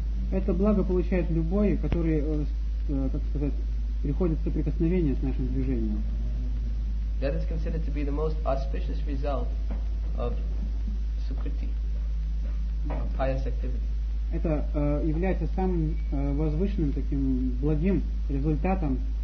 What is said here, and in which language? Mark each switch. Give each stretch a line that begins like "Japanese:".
Russian: Это благо получает любой, который, как сказать, приходит в соприкосновение с нашим движением.
English: That is considered to be the most auspicious result of sukriti, of pious activity.
Russian: Это является самым возвышенным таким благим результатом.